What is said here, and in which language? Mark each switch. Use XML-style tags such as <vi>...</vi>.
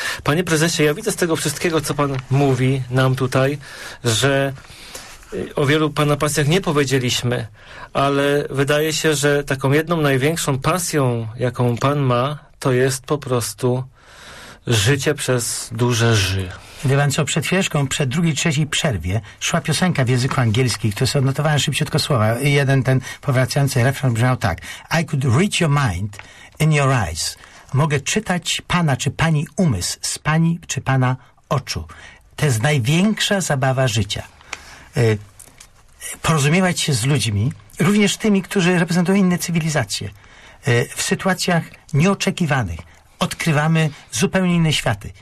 <pl>Panie prezesie, ja widzę z tego wszystkiego, co pan mówi nam tutaj, że o wielu pana pasjach nie powiedzieliśmy, ale wydaje się, że taką jedną największą pasją, jaką pan ma, to jest po prostu życie przez duże ży. Wie pan co, przed chwileczką, przed drugiej, trzeciej przerwie szła piosenka w języku angielskim, którą sobie odnotowałem szybciutko słowa. Jeden ten powracający refren brzmiał tak.</pl> <en>I could read your mind in your eyes.</en> <pl>Mogę czytać pana czy pani umysł z pani czy pana oczu. To jest największa zabawa życia. Porozumiewać się z ludźmi, również tymi, którzy reprezentują inne cywilizacje, w sytuacjach nieoczekiwanych odkrywamy zupełnie inne światy.</pl>